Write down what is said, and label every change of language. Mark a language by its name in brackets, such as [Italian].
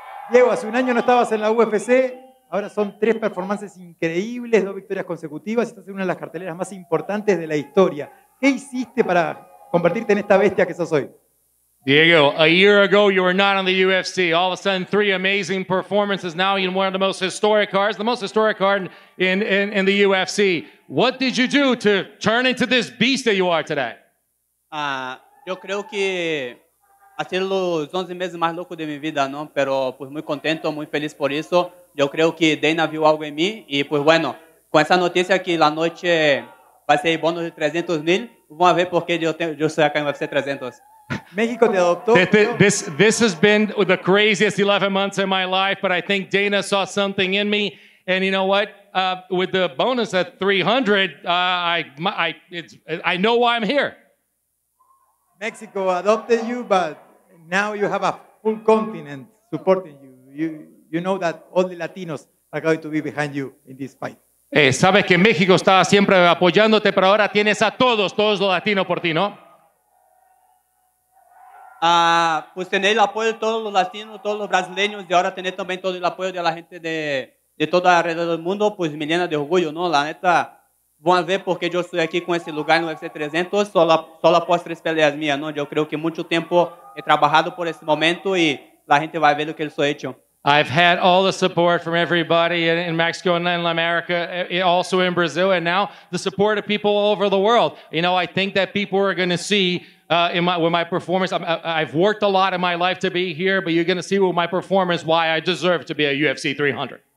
[Spanish] Diego, hace un año no estabas en la UFC. Ahora son tres performances increíbles, dos victorias consecutivas. Estás en una de las carteleras más importantes de la historia. ¿Qué hiciste para convertirte en esta bestia que sos hoy? [English] Diego, a year ago you were not on the UFC. All of a sudden, three amazing performances. Now you're one of the most historic cards, the most historic card in the UFC. What did you do to turn into this beast that you are today? [Spanish] Yo creo que ha sido los 11 meses más locos de mi vida, ¿no? Pero pues muy contento, muy feliz por eso. Yo creo que Dana vio algo en mí y pues bueno, con esa noticia que la noche va a ser el bono de 300 mil, vamos a ver por qué yo estoy acá en UFC 300. México te adoptó. [English] This has been the craziest 11 months of my life, but I think Dana saw something in me. And you know what? With the bonus at 300, I know why I'm here. Mexico adopted you, but now you have a full continent supporting you. You know that all the Latinos are going to be behind you in this fight. [Spanish] Sabes que México estaba siempre apoyándote, pero ahora tienes a todos los latinos por ti, ¿no? Pues tener el apoyo de todos los latinos, todos los brasileños, y ahora tener también todo el apoyo de la gente de todo alrededor del mundo, pues me llena de orgullo, ¿no? La neta, van a ver por qué yo estoy aquí con este lugar en UFC 300, solo após tres peleas mías, ¿no? Yo creo que mucho tiempo he trabajado por este momento y la gente va a ver lo que yo he hecho. [English] I've had all the support from everybody in Mexico and Latin America, also in Brazil, and now the support of people all over the world. You know, I think that people are going to see with my performance. I've worked a lot in my life to be here, but you're going to see with my performance why I deserve to be a UFC 300.